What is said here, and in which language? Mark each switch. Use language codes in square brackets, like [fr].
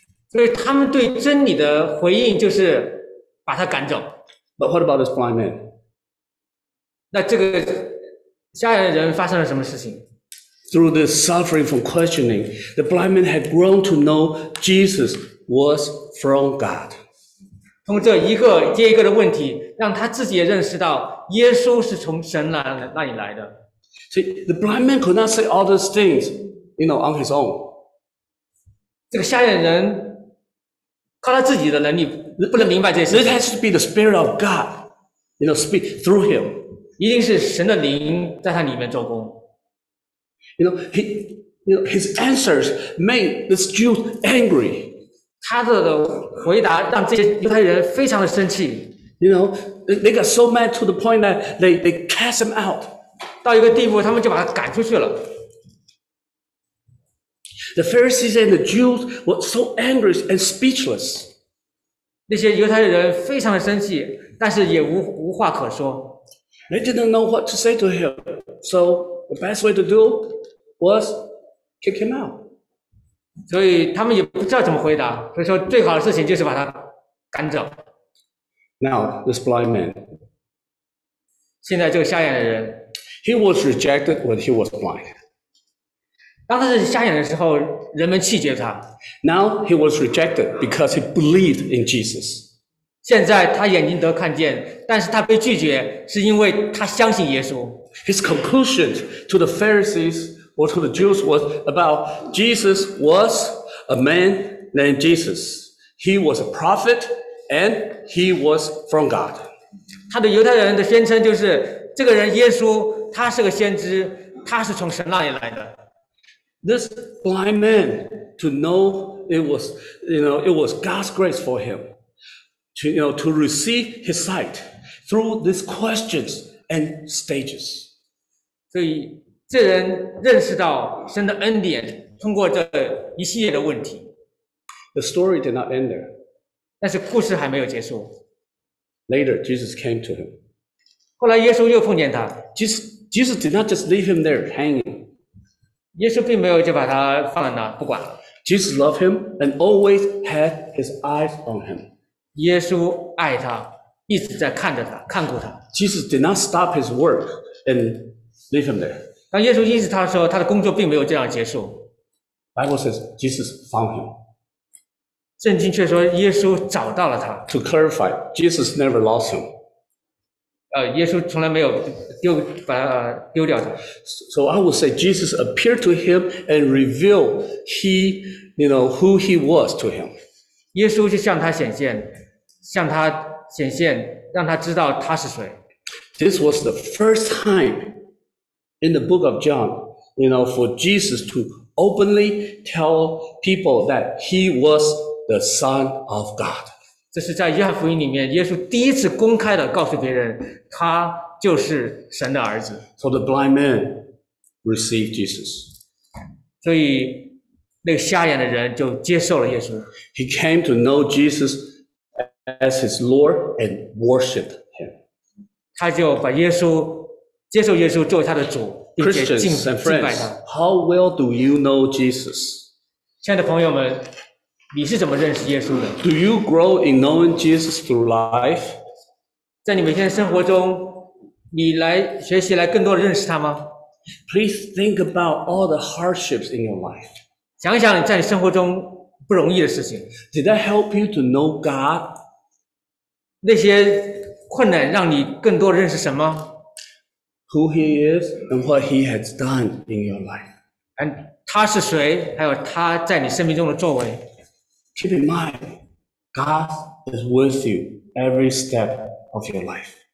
[zh] 所以他们对真理的回应就是把他赶走。 [en] But what about this blind man? [zh] 那这个瞎眼的人发生了什么事情？ [en] Through this suffering from questioning, the blind man had grown to know Jesus was from God. [zh] 通过这一个接一个的问题，让他自己也认识到耶稣是从神那里来的。 [en] See, the blind man could not say all those things, you know, on his own. [zh] 这个瞎眼人靠他自己的能力不能明白这些事情。 [en] It has to be the Spirit of God, you know, speak through him. [zh] 一定是神的灵在他里面做工。 [en] You know, his answers made this Jew angry. [zh] 他的回答让这些犹太人非常的生气。 [en] You know, they got so mad to the point that they cast him out. [zh] 到一个地步，他们就把他赶出去了。 [en] The Pharisees and the Jews were so angry and speechless. [zh] 那些犹太人非常的生气，但是也无话可说。 [en] They didn't know what to say to him, so the best way to do was kick him out. [zh] 所以他们也不知道怎么回答，所以说最好的事情就是把他赶走。 [en] Now, this blind man. [zh] 现在这个瞎眼的人。 [en] He was rejected when he was blind. [zh] 当他是瞎眼的时候，人们弃绝他。 [en] Now, he was rejected because he believed in Jesus. [zh] 现在他眼睛得看见，但是他被拒绝，是因为他相信耶稣。 [en] His conclusion to the Pharisees or to the Jews was about Jesus was a man named Jesus. He was a prophet and he was from God. [zh] 他对犹太人的宣称就是，这个人耶稣，他是个先知，他是从神那里来的。 [en] This blind man to know it was, you know, it was God's grace for him to, you know, to receive his sight through these questions and stages. [zh] 所以这人认识到神的恩典，通过这一系列的问题。 [en] The story did not end there. [zh] 但是故事还没有结束。 [en] Later, Jesus came to him. [zh] 后来耶稣又碰见他。 [en] Jesus did not just leave him there hanging. [zh] 耶稣并没有就把他放在那不管。 [en] Jesus loved him and always had his eyes on him. [zh] 耶稣爱他，一直在看着他，看顾他。 [en] Jesus did not stop his work and leave him there. [zh] 当耶稣医治他的时候，他的工作并没有这样结束。 [en] Bible says Jesus found him. [zh] 圣经却说耶稣找到了他。 [en] To clarify, Jesus never lost him. [zh] 耶稣从来没有丢掉他。 [en] So I would say Jesus appeared to him and revealed he, you know, who he was to him. [zh] 耶稣就向他显现，向他显现，让他知道他是谁。 [en] This was the first time in the book of John, you know, for Jesus to openly tell people that he was the Son of God. [zh] 这是在约翰福音里面，耶稣第一次公开的告诉别人，他就是神的儿子。 [en] So the blind man received Jesus. [zh] 所以那个瞎眼的人就接受了耶稣。 [en] He came to know Jesus as his Lord and worship him. [zh] 他就把耶稣接受耶稣作为他的主，并且敬拜他。 [en] Christians and friends, how well do you know Jesus? [zh] 亲爱的朋友们。你是怎么认识耶稣的？ [en] Do you grow in knowing Jesus through life? [zh] 在你每天生活中，你来学习来更多的认识他吗？ [en] Please think about all the hardships in your life. [zh] 想想在你生活中不容易的事情。 [en] Did that help you to know God? [zh] 那些困难让你更多认识什么？ [en] Who he is and what he has done in your life. [zh] And 他是谁，还有他在你生命中的作为。 [en] Keep in mind, God is with you every step of your life.